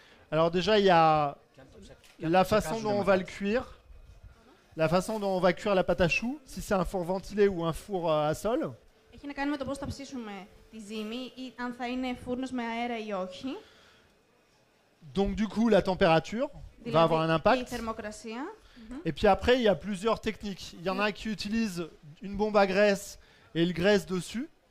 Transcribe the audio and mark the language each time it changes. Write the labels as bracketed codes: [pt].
[fr] Alors déjà il y a la façon dont on va le cuire. La façon dont on va cuire la pâte à choux, si c'est un four ventilé ou un four à sol. [el] Έχει να κάνει με το πώς θα ψήσουμε τη ζύμη ή αν θα είναι φούρνος με αέρα ή όχι. [fr] Donc du coup la température va avoir un impact. Et puis après, il y a plusieurs techniques. Il y en a qui utilisent une bombe à graisse et ils graissent dessus.